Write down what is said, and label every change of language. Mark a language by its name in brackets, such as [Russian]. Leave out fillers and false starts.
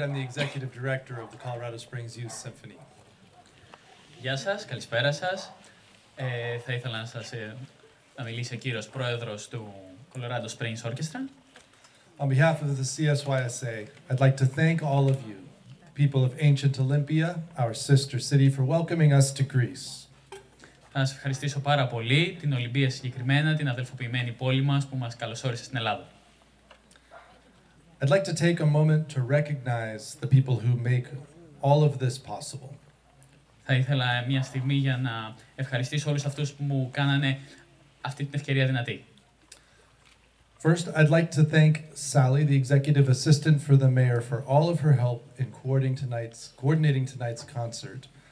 [English] I'm the executive director of the Colorado Springs Youth Symphony. [Greek] Γεια σας, καλησπέρα σας. Θα ήθελα να σας μιλήσει ο κύριος πρόεδρος του Colorado Springs Orchestra. [English] On behalf of the CSYSA, I'd like to thank all of you, the people of ancient Olympia, our sister city, for welcoming us to Greece. [Greek] Θα σας ευχαριστήσω πάρα πολύ, την Ολυμπία συγκεκριμένα, την αδελφοποιημένη πόλη μας που μας καλωσόρισε στην Ελλάδα. [English] I'd like to take a moment to recognize the people who make all of this possible. [Greek] Θα ήθελα μια στιγμή για να ευχαριστήσω όλους αυτούς που μου κάνανε αυτή την ευκαιρία δυνατή. [English] First, I'd like to thank Sally, the executive assistant for the mayor, for all of her help in coordinating tonight's concert.